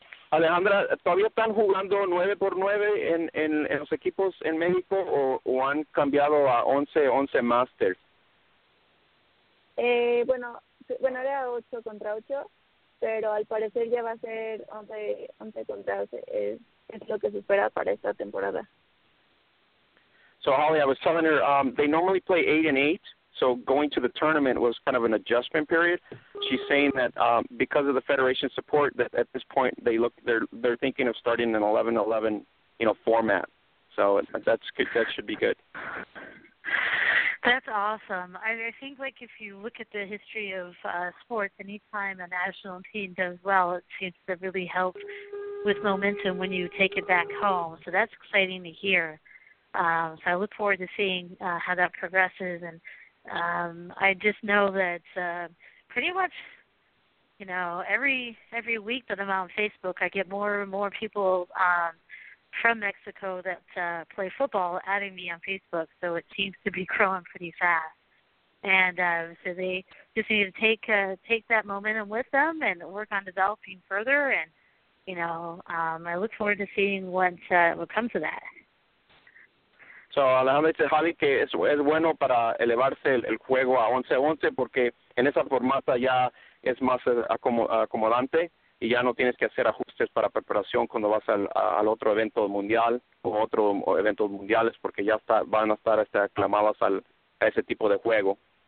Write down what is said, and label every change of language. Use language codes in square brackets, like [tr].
[es] Alejandra, ¿todavía están jugando 9x9 en los equipos en México, o han cambiado a 11x11 Masters? Bueno, era 8 contra 8, pero al parecer ya va a ser 11 contra 11, es lo que se espera para esta temporada. [en] So, Holly, I was telling her, they normally play 8x8. So going to the tournament was kind of an adjustment period. She's saying that because of the federation support, that at this point they're thinking of starting an 11-11, you know, format. So that's good. That should be good. That's awesome. I think, like, if you look at the history of sports, any time a national team does well, it seems to really help with momentum when you take it back home. So that's exciting to hear. So I look forward to seeing how that progresses, and I just know that pretty much, you know, every week that I'm on Facebook, I get more and more people from Mexico that play football adding me on Facebook. So it seems to be growing pretty fast. And so they just need to take that momentum with them and work on developing further. And, you know, I look forward to seeing what comes of that. [es] So, Alejandra dice, Javi, que es bueno para elevarse el juego a 11-11, porque en esa formata ya es más acomodante y ya no tienes que hacer ajustes para preparación cuando vas al otro evento mundial o otro evento mundiales, porque ya van a estar aclamadas a ese tipo de juego.